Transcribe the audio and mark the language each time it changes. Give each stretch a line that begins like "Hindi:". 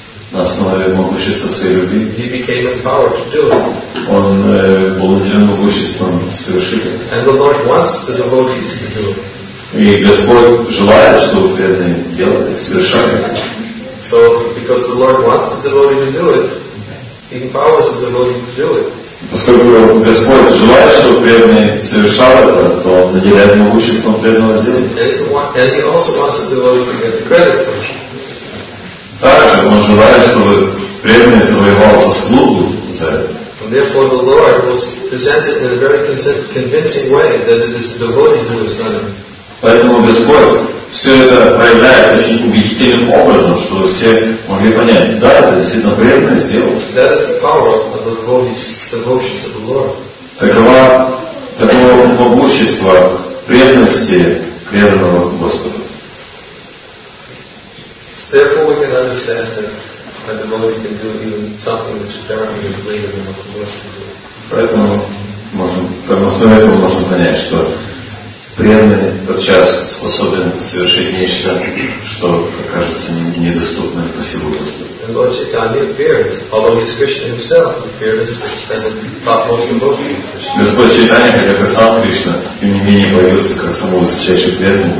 Russian: На основе могущества своей любви.
English: He became empowered to do it.
Russian: Он был наделен могуществом совершить это.
English: And the Lord wants the devotees to do it.
Russian: И Господь желает, чтобы преданные делали, совершали это.
English: So, because the Lord wants the devotee to do it, he empowers the devotee to do it.
Russian: Поскольку Господь желает, чтобы преданные совершали это, то Он наделяет могуществом преданного сделать.
English: And he also wants the devotee to get the credit for it.
Russian: Также он желает, чтобы преданный завоевал заслугу за это.
English: And therefore the Lord was presented in a very convincing way that it is the devotee who has done it.
Russian: Поэтому Господь все это проявляет очень убедительным образом, что все могли понять, да, это действительно преданный сделал.
English: That is the power of the devotee's devotion to the Lord.
Russian: Таково могущество преданности преданного Господа.
English: Therefore we can understand that a devotee can do even something which is directly related to what the Lord can do.
Russian: Поэтому можем, основе этого можно понять, что преданный подчас способен совершить нечто, что окажется недоступным по силу Господа. Господь Чайтанья, как это сам Кришна, тем не менее появился как самого высочайшего преданного